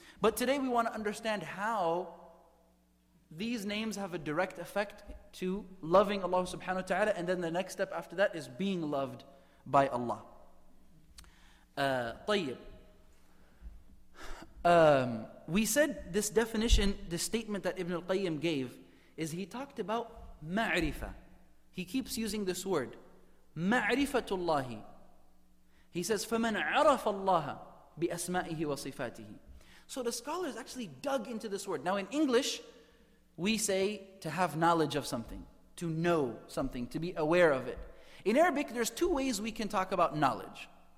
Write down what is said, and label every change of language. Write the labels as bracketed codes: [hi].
[en] But today we want to understand how these names have a direct effect to loving Allah subhanahu wa ta'ala, and then the next step after that is being loved by Allah. Tayyib. We said this definition, this statement that Ibn al-Qayyim gave, is he talked about ma'rifa. He keeps using this word, ma'rifatullahi. He says, [ar] فَمَنْ عَرَفَ اللَّهَ بِأَسْمَائِهِ وَصِفَاتِهِ. [en] So the scholars actually dug into this word. Now in English, we say to have knowledge of something, to know something, to be aware of it. In Arabic, there's two ways we can talk about knowledge.